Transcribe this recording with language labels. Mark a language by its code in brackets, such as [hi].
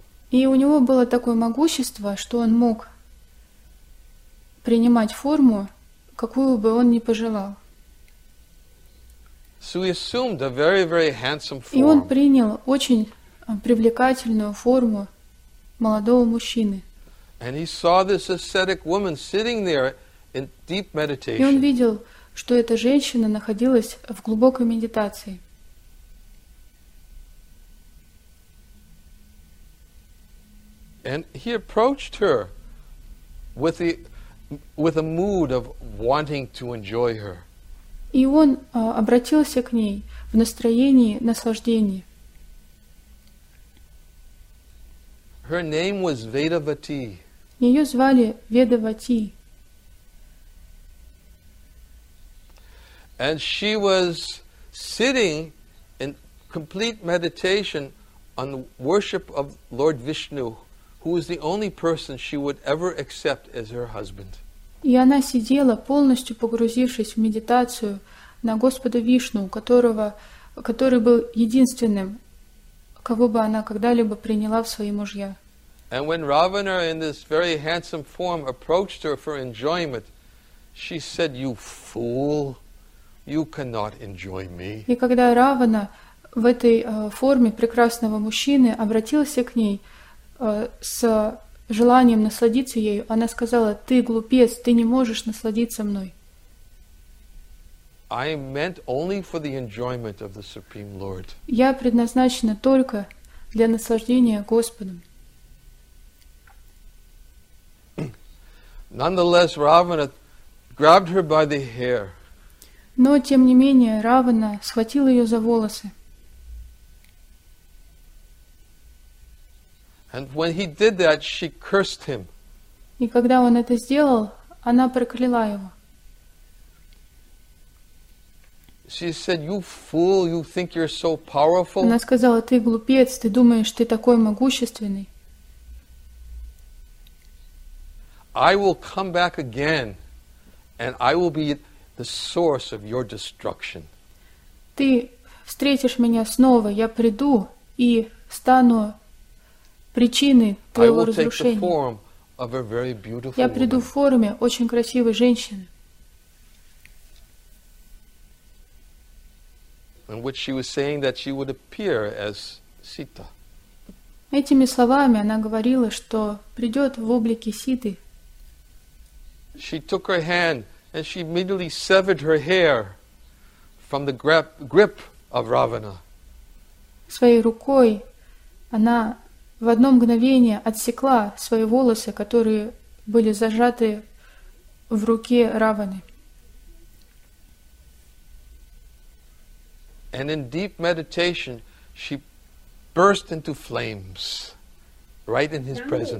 [ru] И у него было такое могущество, что он мог принимать форму, какую бы он ни пожелал. И он принял очень привлекательную форму молодого мужчины. [en] And he saw this ascetic woman sitting there in deep meditation. [ru] И он видел, что эта женщина находилась в глубокой медитации. [en] And he approached her with a mood of wanting to enjoy her. [ru] И он обратился к ней в настроении наслаждения. [en] Her name was Vedavati. [ru] Её звали Ведавати. [en] And she was sitting in complete meditation on the worship of Lord Vishnu, who was the only person she would ever accept as her husband. [ru] И она сидела, полностью погрузившись в медитацию на Господа Вишну, который был единственным, кого бы она когда-либо приняла в свои мужья. [en] And when Ravana, in this very handsome form, approached her for enjoyment, she said, "You fool, you cannot enjoy me." [ru] И когда Равана в этой форме прекрасного мужчины обратился к ней с желанием насладиться ею, она сказала: "Ты глупец, ты не можешь насладиться мной." [en] I am meant only for the enjoyment of the Supreme Lord. [ru] Я предназначена только для наслаждения Господом. [en] Nonetheless, Ravana grabbed her by the hair. [ru] Но тем не менее Равана схватил ее за волосы. [en] And when he did that, she cursed him. [ru] И когда он это сделал, она прокляла его. [en] She said, "You fool! You think you're so powerful." [ru] Она сказала: "Ты глупец! Ты думаешь, ты такой могущественный?" [en] I will come back again, and I will be the source of your destruction. [ru] Ты встретишь меня снова, я приду и стану причиной твоего разрушения. [en] I will take the form of a very beautiful woman. [ru] Я приду в форме очень красивой женщины. [en] In which she was saying that she would appear as Sita. [ru] Этими словами она говорила, что придет в облике Ситы. [en] She took her hand and she immediately severed her hair from the grip of Ravana. [ru] Своей рукой она в одно мгновение отсекла свои волосы, которые были зажаты в руке Раваны. [en] And in deep meditation she burst into flames right in his presence.